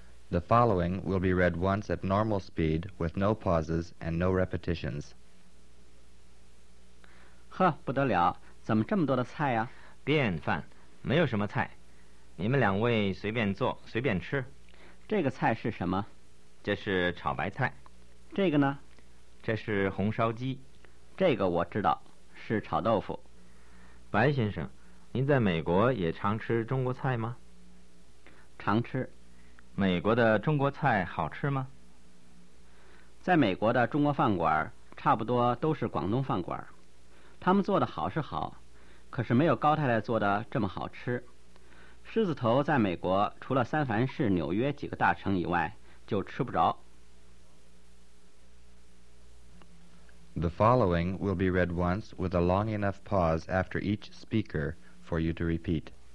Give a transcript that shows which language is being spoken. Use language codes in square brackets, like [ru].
[en] The following will be read once at normal speed with no pauses and no repetitions. [zh] 呵，不得了，怎么这么多的菜呀？便饭，没有什么菜，你们两位随便做，随便吃。这个菜是什么？这是炒白菜。这个呢？这是红烧鸡。这个我知道，是炒豆腐。白先生，您在美国也常吃中国菜吗？常吃。美国的中国菜好吃吗？在美国的中国饭馆差不多都是广东饭馆，他们做的好是好，可是没有高太太做的这么好吃。狮子头在美国除了三藩市、纽约几个大城以外就吃不着。 [en] The following will be read once with a long enough pause after each speaker for you to repeat.